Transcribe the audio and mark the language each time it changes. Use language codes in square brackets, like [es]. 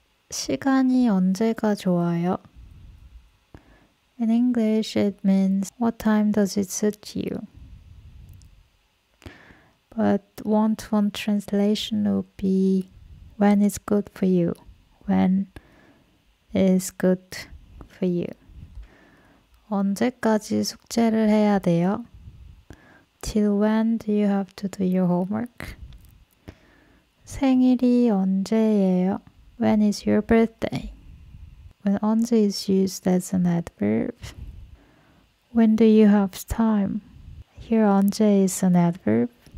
[ko] 시간이 언제가 좋아요? [en] In English, it means, what time does it suit you? But one-to-one translation would be, when is good for you? When is good for you? [ko] 언제까지 숙제를 해야 돼요? [en] Till when do you have to do your homework? [ko] 생일이 언제예요? [en] When is your birthday? When 언제 is used as an adverb. When do you have time? Here 언제 is an adverb.